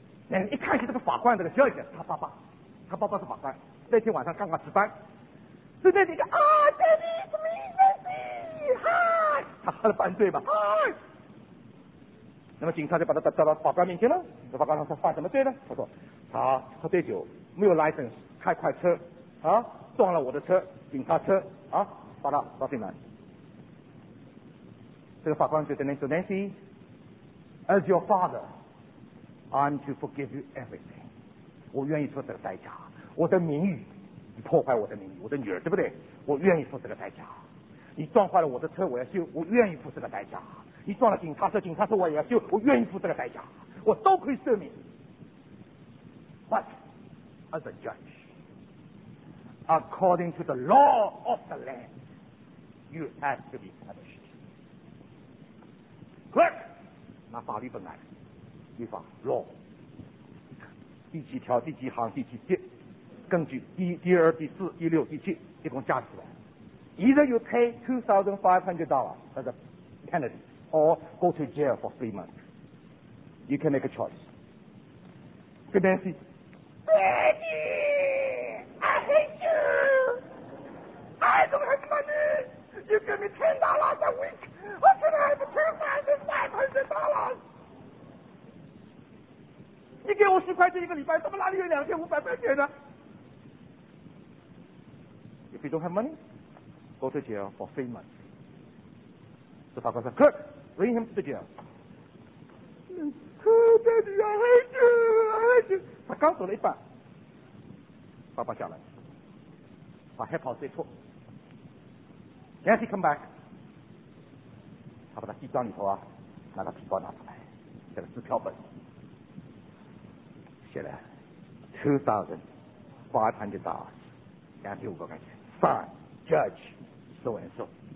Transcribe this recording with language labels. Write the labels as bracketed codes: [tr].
[zh] 那一看是这个法官，这个小姐，她爸爸是法官，那天晚上刚刚值班，所以那几个啊 ， [en] Daddy's Nancy， [zh] 嗨，他喝了半醉吧，嗨。那么警察就把他带到法官面前了，那法官说犯什么罪呢？他说他喝醉酒，没有 license， 开快车，啊，撞了我的车，警察车，啊，把他抓进来。这个法官就对 Nancy 说 ，Nancy， [en] as your father。 I'm to forgive you everything. [zh] 我愿意做这个代价。我的名誉，你破坏我的名誉，我的女儿，对不对？我愿意做这个代价。你撞坏了我的车，我要修，我愿意付这个代价。你撞了警察车，我也要修，我愿意付这个代价。我都可以赦免。 [en] But as a judge, according to the law of the land, you have to be punished. [zh] Clerk, 拿法律本来。地方 law 第几条第几行第几节，根据第二第四第六第七，一共加起来 ， [en] either you pay $2,500 as a penalty or go to jail for 3 months. You can make a choice. Good Nancy. Daddy, I hate you. I don't have money. You give me $10 a week. What can I have $2,500? [zh] 你给我10块钱一个礼拜，怎么哪里有2500块钱呢？ [en] If you don't have money, go to jail for 3 months. [zh] 这法官说 [en] ，Clerk, bring him to the jail. Daddy, I hate you, I hate you. [zh] 他刚走了一半，爸爸下来，把黑袍追脱。 [en] Nancy, come back. [zh] 他把他西装里头啊，拿个皮包拿出来，写了支票本。写了$2,500 2500块钱 [en] Fine, judge, so and so.